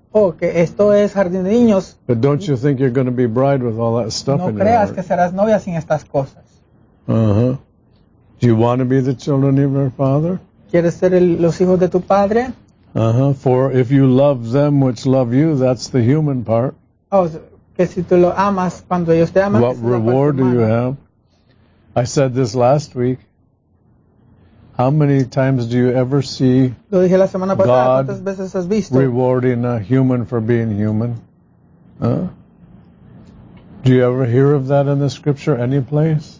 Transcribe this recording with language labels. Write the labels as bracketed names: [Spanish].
[Spanish] Okay, esto es jardín de niños. [English] But don't you think you're going to be bride with all that stuff in your heart? [Spanish] No creas que serás novia sin estas cosas. Uh-huh. [English] Do you want to be the children of your father? [Spanish] ¿Quieres ser los hijos de tu padre? Uh-huh. [English] For if you love them which love you, that's the human part. [Spanish] Oh, que si tú lo amas cuando ellos te aman. [English] What reward do you have? I said this last week. How many times do you ever see [Spanish] lo dije la semana pasada, God ¿cuántas veces has visto? [English] Rewarding a human for being human? Huh? Do you ever hear of that in the scripture any place?